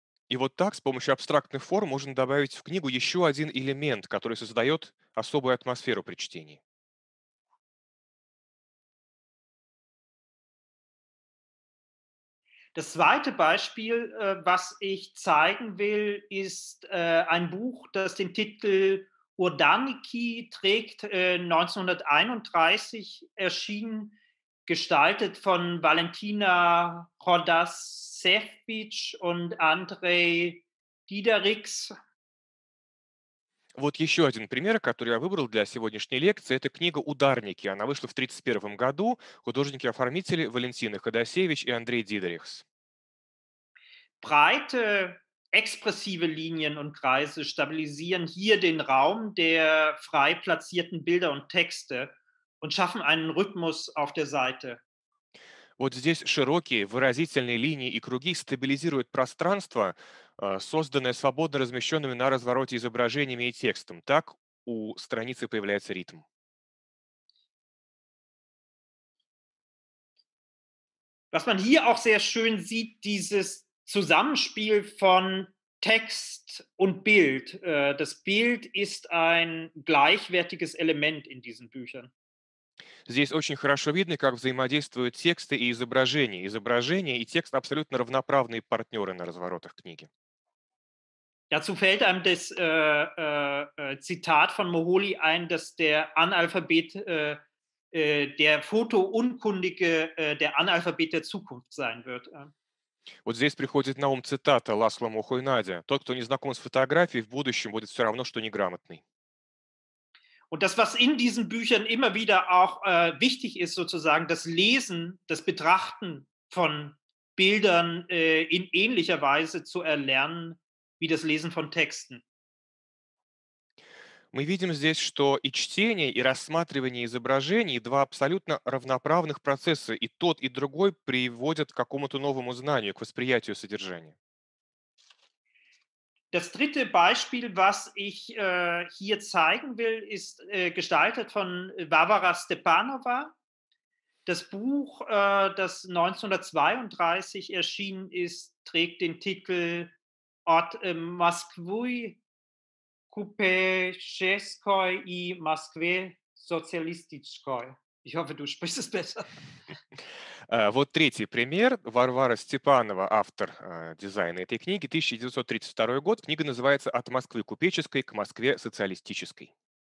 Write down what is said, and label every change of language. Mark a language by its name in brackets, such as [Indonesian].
[Russian] И вот так, с помощью абстрактных форм, можно добавить в книгу еще один элемент, который создает особую атмосферу при чтении. [German] Das zweite Beispiel, was ich zeigen will, ist ein Buch, das den Titel Urdaniki trägt, 1931 erschien, gestaltet von Valentina Rodas Sefbitsch und Andrei Diderichs. [Russian] Вот еще один пример, который я выбрал для сегодняшней лекции. Это книга «Ударники». Она вышла в 1931 году. Художники-оформители Валентина Ходосевич и Андрей Дидерихс. [German] Breite, expressive Linien und Kreise stabilisieren hier den Raum der frei platzierten Bilder und Texte und schaffen einen Rhythmus auf der Seite. [Russian] Вот здесь широкие, выразительные линии и круги стабилизируют пространство, созданное свободно размещенными на развороте изображениями и текстом. Так у страницы появляется ритм. [German] Was man hier auch sehr schön sieht, dieses Zusammenspiel von Text und Bild. Das Bild ist ein gleichwertiges Element in diesen Büchern. [Russian] Здесь очень хорошо видно, как взаимодействуют тексты и изображения. Изображение и текст абсолютно равноправные партнеры на разворотах книги. [German] Dazu fällt einem das Zitat von Moholy ein, dass der Analphabet der Fotounkundige der Analphabet der Zukunft sein wird. [Russian] Вот здесь приходит на ум цитата Ласло Мухойнадзе. Тот, кто не знаком с фотографией, в будущем будет все равно, что неграмотный. [German] Und das, was in diesen Büchern immer wieder auch wichtig ist, sozusagen das Lesen, das Betrachten von Bildern in ähnlicher Weise zu erlernen, wie das Lesen von Texten. [Russian] Мы видим здесь, что и чтение, и рассматривание изображений – два абсолютно равноправных процесса, и тот, и другой приводят к какому-то новому знанию, к восприятию содержания. [German] Das dritte Beispiel, was ich hier zeigen will, ist gestaltet von Varvara Stepanova. Das Buch, das 1932 erschienen ist, trägt den Titel [Russian] «От Москвы купеческой и Москве социалистической». Я надеюсь, ты говоришь лучше. Вот третий пример. Варвара Степанова, автор дизайна этой книги, 1932 год. Книга называется «От Москвы купеческой к Москве социалистической».